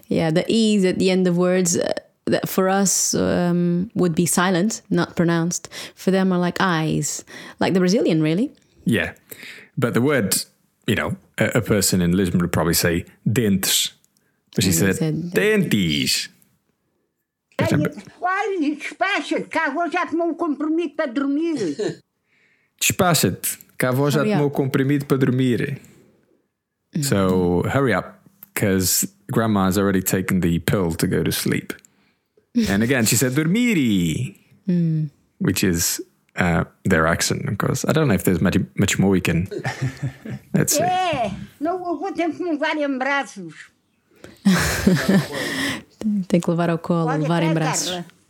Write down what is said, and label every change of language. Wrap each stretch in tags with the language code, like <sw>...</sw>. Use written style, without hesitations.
<en>Yeah, the e's at the end of words that for us would be silent, not pronounced. For them, are like eyes, like the Brazilian, really. Yeah, but the word, you know, a person in Lisbon would probably say dentes, but she said dientes.</en> <pt>Olha, despacha-te, que a avó já tomou um comprimido para dormir. Despacha-te, que a avó já tomou um comprimido para dormir.</pt> <en>So, hurry up, because grandma's already taken the pill to go to sleep. And again, she said, dormire. Which is their accent, of course. I don't know if there's much more we can... Let's see.</en> <pt>Não, eu vou ter que me levar em braços. Tem que levar ao colo, pode levar em braços.</pt>